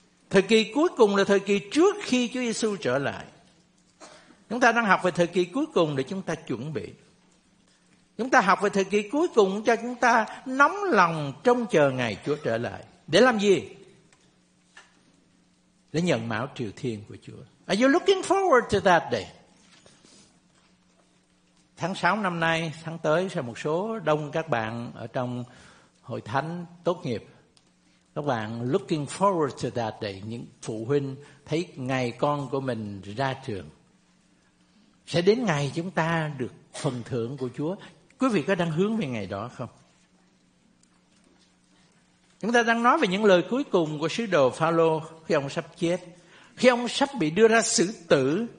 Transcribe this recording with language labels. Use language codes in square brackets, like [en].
[vi] Thời kỳ cuối cùng là thời kỳ trước khi Chúa Giê-xu trở lại. Chúng ta đang học về thời kỳ cuối cùng để chúng ta chuẩn bị. Chúng ta học về thời kỳ cuối cùng cho chúng ta nóng lòng trông chờ ngày Chúa trở lại. Để làm gì? Để nhận mão triều thiên của Chúa. [en] Are you looking forward to that day? [vi] Tháng 6 năm nay, tháng tới sẽ một số đông các bạn ở trong hội thánh tốt nghiệp. Các bạn [en] looking forward to that day. [vi] Những phụ huynh thấy ngày con của mình ra trường. Sẽ đến ngày chúng ta được phần thưởng của Chúa. Quý vị có đang hướng về ngày đó không? Chúng ta đang nói về những lời cuối cùng của sứ đồ Phaolô khi ông sắp chết, khi ông sắp bị đưa ra xử tử.